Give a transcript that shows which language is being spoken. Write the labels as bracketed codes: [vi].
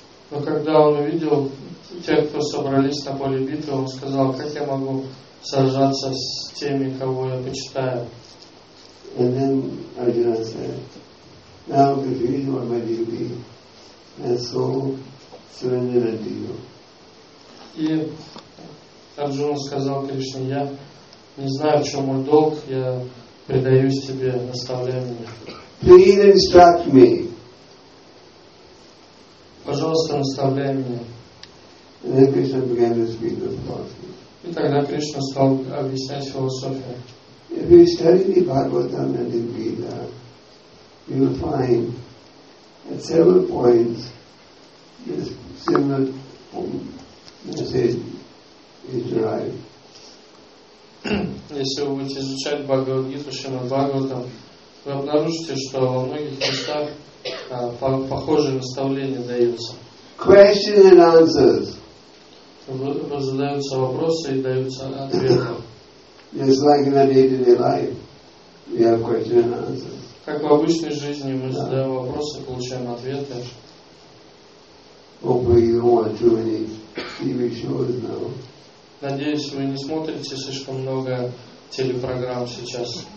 [ru] Но когда он увидел тех, кто собрались на поле битвы, он сказал, как я могу сражаться с теми, кого я почитаю. [en] And then Arjuna said, now confusion on my duty and so surrender unto you. [ru] И Арджуна сказал Кришне, я не знаю, в чем мой долг, я предаюсь тебе, наставляй меня. [en] Please instruct me. [ru] Пожалуйста, наставляй меня. [en] And then Krishna began to speak the philosophy. [ru] И тогда Кришна стал объяснять философию. [en] If you study the Bhagavatam and the Gita, you will find at several points this similar message is derived. [ru] Если вы будете изучать Бхагавад-гиту, Шримад-Бхагаватам, вы обнаружите, что во многих местах похожие наставления даются. [en] Questions and answers. [ru] Задаются вопросы и даются ответы. [en] Just like in our day-to-day life, we have questions and answers. [ru] Как в обычной жизни мы задаем вопросы, получаем ответы. [en] Hopefully you don't watch too many TV shows now. [ru] Надеюсь, вы не смотрите слишком много телепрограмм сейчас.